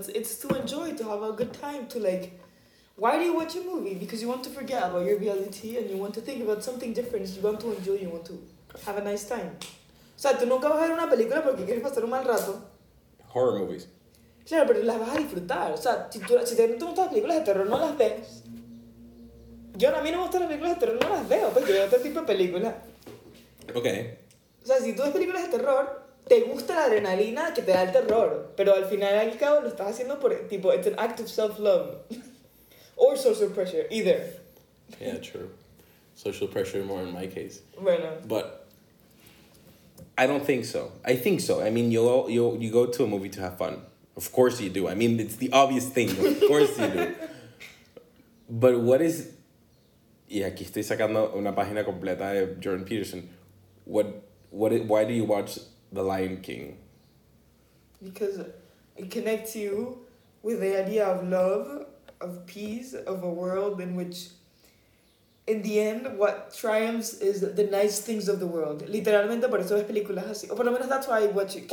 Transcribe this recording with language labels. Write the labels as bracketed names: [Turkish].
[English] It's to enjoy, to have a good time, to like... Why do you watch a movie? Because you want to forget about your reality and you want to think about something different. You want to enjoy, you want to have a nice time. [Spanish] O sea, tú nunca vas a ver una película porque quieres pasar un mal rato. [English] Horror movies. [Spanish] Claro, pero las vas a disfrutar. O sea, si te gustan las películas de terror, no las ves. Yo a mí no me gustan las películas de terror, no las veo, pues yo veo otro tipo de película. [English] Okay. [Spanish] O sea, si tú ves películas de terror, te gusta la adrenalina que te da el terror, pero al final y al cabo lo estás haciendo por, tipo, [English] it's an act of self-love. Or social pressure, either. Yeah, true. Social pressure more in my case. [Spanish] Bueno. [English] But I don't think so. I think so. I mean, you go to a movie to have fun. Of course you do. I mean, it's the obvious thing. Of course you do. But what is... [Spanish] Y aquí estoy sacando una página completa de Jordan Peterson. [English] Why do you watch The Lion King? Because it connects you with the idea of love, of peace, of a world in which in the end, what triumphs is the nice things of the world. [Spanish] Literalmente, por eso ves películas así. O por lo menos [English] that's why I watch kids'